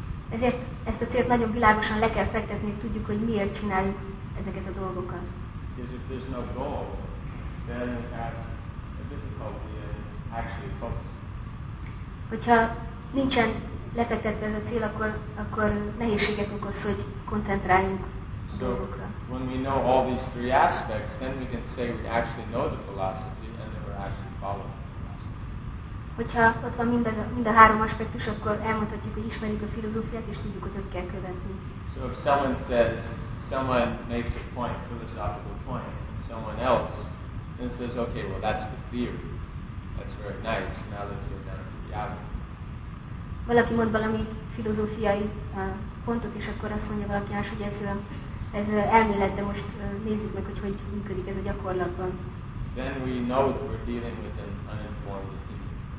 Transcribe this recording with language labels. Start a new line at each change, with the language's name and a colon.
Hungarian: Ezért ezt a célt nagyon világosan le kell fektetni, hogy tudjuk, hogy miért csináljuk ezeket a dolgokat.
English: Because if there's no goal, then we have a difficulty in actually focusing.
Hungarian: Hogyha nincsen lefektetve ez a cél, akkor nehézséget okoz, hogy koncentráljunk a dolgokra.
English: So when we know all these three aspects, then we can say we actually know the philosophy and then we're actually following.
Hungarian: Hogyha ott van mind a három aspektus, akkor elmondhatjuk, hogy ismerjük a filozófiát, és tudjuk, hogy kell követni.
English: So if someone says, someone makes a point, a philosophical point, someone else, then says, okay, well, that's the theory. That's very nice. Now let's get down to the reality.
Hungarian: Valaki mond valami filozófiai pontot, és akkor azt mondja valaki más, hogy ez elmélet, de most nézzük meg, hogy működik ez a gyakorlatban.
English: Then we know that we're dealing with an uninformed theory.